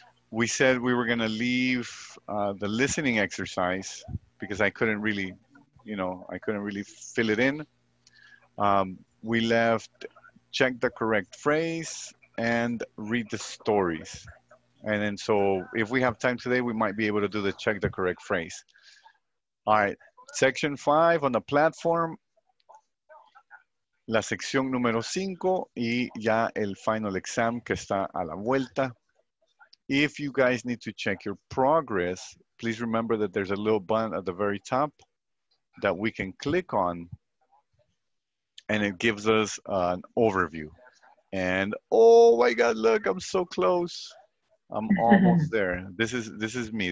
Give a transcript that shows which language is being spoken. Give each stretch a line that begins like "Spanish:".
English: We said we were gonna leave the listening exercise because I couldn't really, you know, I couldn't really fill it in. We left check the correct phrase and read the stories. And then so if we have time today, we might be able to do the check the correct phrase. All right, section 5 on the platform.
Spanish: La sección número 5 y ya el final exam que está a la vuelta.
English: If you guys need to check your progress, please remember that there's a little button at the very top that we can click on and it gives us an overview. And oh my God, look, I'm so close. I'm almost there. This is me.